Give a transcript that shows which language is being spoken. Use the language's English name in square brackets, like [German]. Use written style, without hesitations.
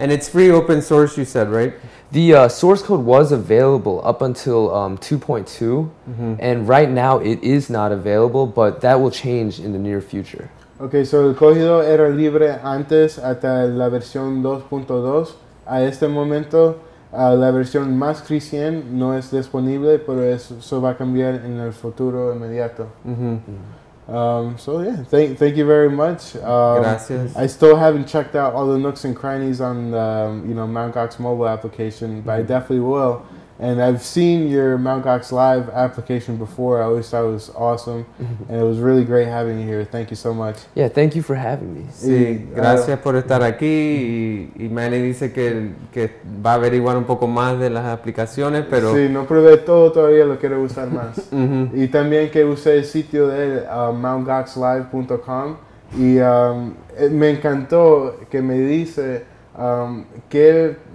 [English] And it's free open source, you said, right? The source code was available up until 2.2, mm-hmm. and right now it is not available, but that will change in the near future. [Spanish] Okay, so el código era libre antes hasta la versión 2.2. A este momento, la versión más creciente no es disponible, pero eso va a cambiar en el futuro inmediato. Mm-hmm. [English] So yeah, thank you very much. [Spanish] Gracias. [English] I still haven't checked out all the nooks and crannies on the Mt. Gox mobile application, but mm-hmm. I definitely will. And I've seen your Mt. Gox Live application before. I always thought it was awesome. And it was really great having you here. Thank you so much. Yeah, thank you for having me. [Spanish] Sí, gracias por estar aquí. Y Manny dice que va a averiguar un poco más de las aplicaciones, pero... Sí, no probé todo todavía, lo quiero usar más. Y también que usé el sitio de mtgoxlive.com. Y me encantó que me dice que...